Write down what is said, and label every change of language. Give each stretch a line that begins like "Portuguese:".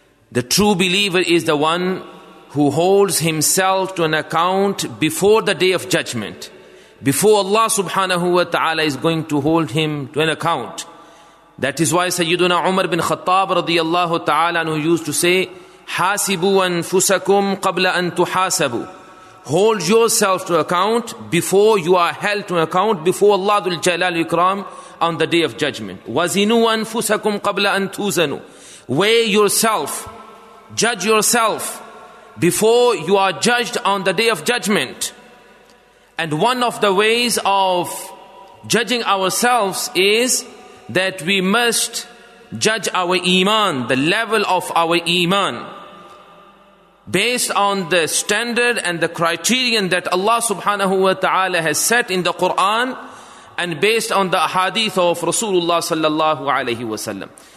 English: The true believer is the one who holds himself to an account before the Day of Judgment, before Allah subhanahu wa ta'ala is going to hold him to an account. That is why Sayyiduna Umar bin Khattab radiyallahu ta'ala who used to say,
Arabic: حاسبوا أنفسكم قبل أن تحاسبوا.
English: Hold yourself to account before you are held to account before Allah Dhul Jalal Ikram on the Day of Judgment.
Arabic: وزنوا أنفسكم قبل أن توزنوا.
English: Weigh yourself, judge yourself before you are judged on the Day of Judgment. And one of the ways of judging ourselves is that we must judge our iman, the level of our iman, based on the standard and the criterion that Allah subhanahu wa ta'ala has set in the Quran and based on the hadith of Rasulullah sallallahu alayhi wa sallam.